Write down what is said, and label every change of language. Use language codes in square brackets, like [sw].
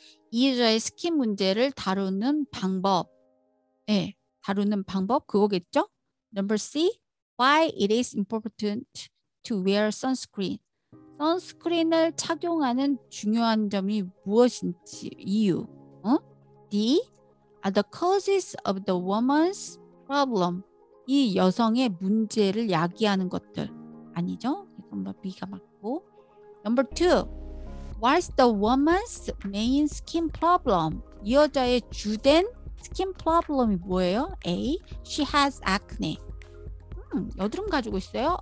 [ko] 이 여자의 스킨 문제를 다루는 방법. 네, 다루는 방법 그거겠죠? [en] Number C. Why it is important to wear sunscreen? [ko] 선스크린을 착용하는 중요한 점이 무엇인지 이유. 어? [en] D are the causes of the woman's problem. [ko] 이 여성의 문제를 야기하는 것들. 아니죠? 이건 뭐 B가 맞고. [en] Number 2. What's the woman's main skin problem? [ko] 이 여자의 주된 skin problem이 뭐예요? A. [en] She has acne. [ko] 여드름 가지고 있어요?